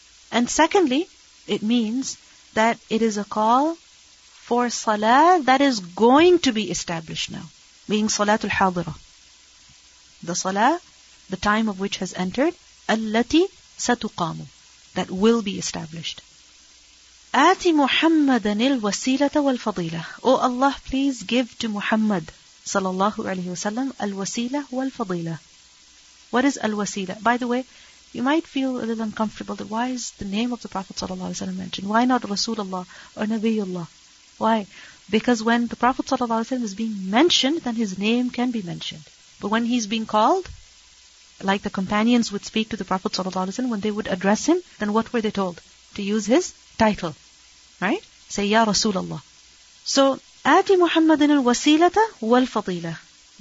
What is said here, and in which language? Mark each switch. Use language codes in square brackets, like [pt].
[en] And secondly, it means that it is a call for salah that is going to be established now, being salatul hadira, the salah the time of which has entered, [ar] التي ستقام, [en] that will be established. [ar] آتي محمدًا الوسيلة والفضيلة. [en] O Allah, please give to Muhammad صلى الله عليه وسلم [ar] الوسيلة والفضيلة. [en] What is الوسيلة? By the way, you might feel a little uncomfortable that why is the name of the Prophet صلى الله عليه وسلم mentioned? Why not Rasulullah or Nabiullah? Why? Because when the Prophet صلى الله عليه وسلم is being mentioned, then his name can be mentioned. But when he's being called, like the companions would speak to the Prophet صلى الله عليه وسلم, when they would address him, then what were they told? To use his title, right? Say, Ya Rasulullah. [ar] So, آتي محمدٍ الوسيلة والفضيلة.